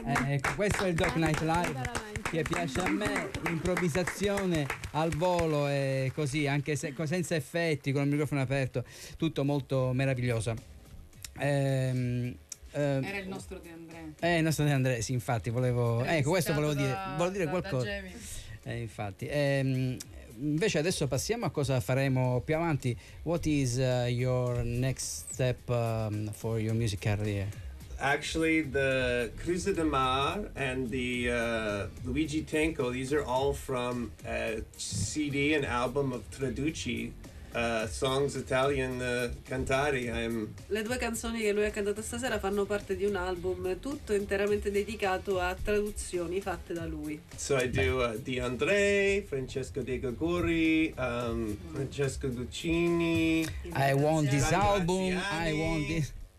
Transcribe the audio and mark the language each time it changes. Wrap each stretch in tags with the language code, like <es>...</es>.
<it>Ecco, questo è il Doc Night Live che piace a me, l'improvvisazione al volo e così, anche se, senza effetti, con il microfono aperto, tutto molto meraviglioso. Era il nostro De André. Il nostro De André, sì, infatti, volevo. Ecco, questo volevo dire. Volevo dire qualcosa. Infatti. Invece adesso passiamo a cosa faremo più avanti.</it> <en>What is your next step for your music career? Actually, the Cruz de Mar and the Luigi Tenco, these are all from a CD and album of Traduci, Songs Italian Cantari.</en> <it>Le due canzoni che lui ha cantato stasera fanno parte di un album tutto interamente dedicato a traduzioni fatte da lui.</it> <en>So I do De André, Francesco De Gregori, Francesco Guccini. I want this album, I want this.</en>